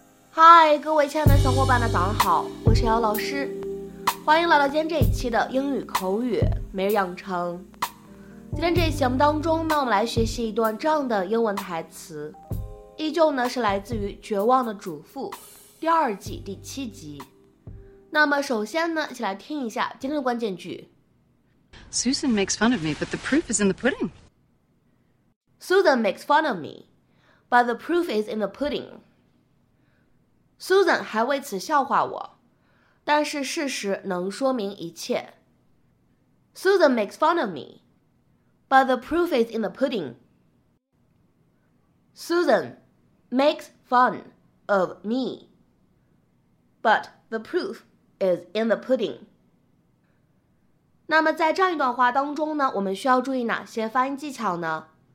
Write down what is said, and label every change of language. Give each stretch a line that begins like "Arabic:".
Chinese: 嗨，各位亲爱的小伙伴们，早上好，我是姚老师，欢迎来到今天这一期的英语口语每日养成。今天这一期节目当中呢，我们来学习一段这样的英文台词，依旧呢是来自于《绝望的主妇》第二季第七集。那么首先呢，一起来听一下今天的关键句。
English: Susan makes fun of me, but the proof is in the pudding. Susan makes fun of me, but the proof is in the pudding.
Chinese: Susan 还为此笑话我，但是事实能说明一切。
English: Susan makes fun of me, but the proof is in the pudding. Susan makes fun of me, but the proof is in the pudding.
Chinese: 那么在这样一段话当中呢，我们需要注意哪些发音技巧呢？